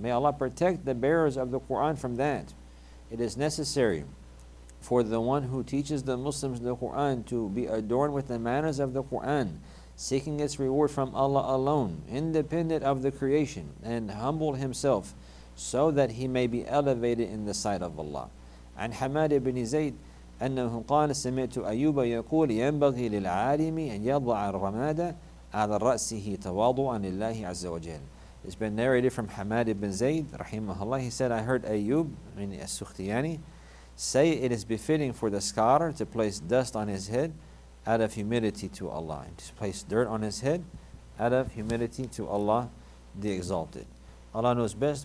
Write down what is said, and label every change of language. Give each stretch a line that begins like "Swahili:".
English: May Allah protect the bearers of the Quran from that. It is necessary for the one who teaches the Muslims the Quran to be adorned with the manners of the Quran, seeking its reward from Allah alone, independent of the creation, and humble himself so that he may be elevated in the sight of Allah.
Arabic: عن حماد بن زيد أنه قال سمعت أيوب يقول ينبغي للعالم أن يضع الرمادة على رأسه تواضعا لله عز وجل.
English: It's been narrated from Hamad ibn Zayd,
Arabic: رحمه الله.
English: He said, I heard Ayyub, meaning As-Sukhtiyani, say it is befitting for the scholar to place dust on his head out of humility to Allah, and to place dirt on his head out of humility to Allah, the Exalted. Allah knows best.